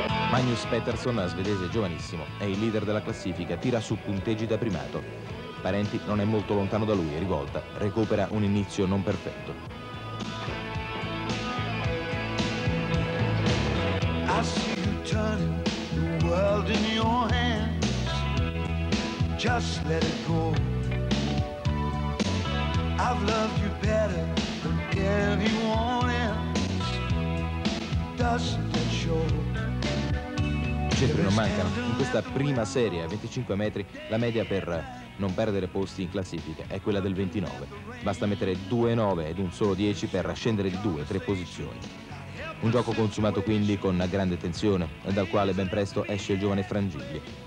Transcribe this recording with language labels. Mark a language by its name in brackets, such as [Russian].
[Italian] Magnus Pettersson, svedese giovanissimo, è il leader della classifica, tira su punteggi da primato. Parenti non è molto lontano da lui e rivolta recupera un inizio non perfetto. [English] I see you turn the world in your hands. Just let it go. I've loved you better than anyone else. Doesn't it show? [Italian] I centri non mancano. In questa prima serie a 25 metri la media per non perdere posti in classifica è quella del 29. Basta mettere 2-9 ed un solo 10 per scendere di 2-3 posizioni. Un gioco consumato quindi con grande tensione, dal quale ben presto esce il giovane Frangilli.